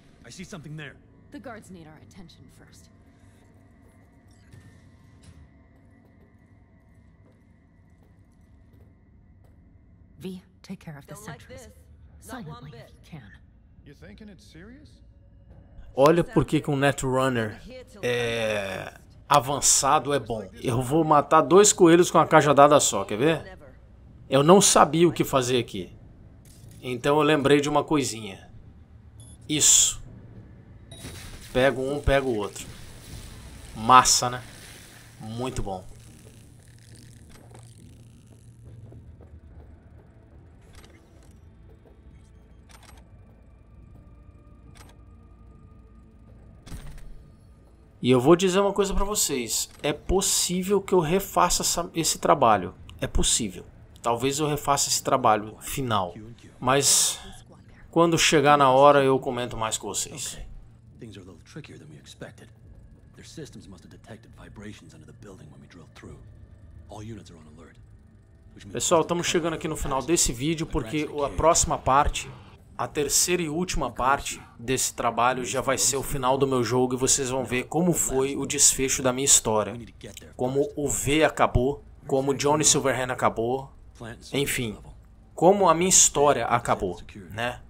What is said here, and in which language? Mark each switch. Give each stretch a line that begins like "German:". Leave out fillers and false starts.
English: I see something there. The guards need our attention first. V, take care of the sentries. Like silently, one bit. If you can. You thinking it's serious?
Portuguese: Olha por que um Netrunner é avançado é bom. Eu vou matar dois coelhos com uma cajadada só, quer ver? Eu não sabia o que fazer aqui. Então eu lembrei de uma coisinha. Isso. Pego um, pego o outro. Massa, né? Muito bom. E eu vou dizer uma coisa pra vocês. É possível que eu refaça esse trabalho. É possível. Talvez eu refaça esse trabalho final. Mas quando chegar na hora, eu comento mais com vocês.
English: Things are a little trickier than we expected. Their systems must have detected vibrations under the building when we drilled through. All units are on alert.
Portuguese: Pessoal, estamos chegando aqui no final desse vídeo porque a próxima parte, a terceira e última parte desse trabalho já vai ser o final do meu jogo e vocês vão ver como foi o desfecho da minha história. Como o V acabou, como Johnny Silverhand acabou, enfim, como a minha história acabou, né?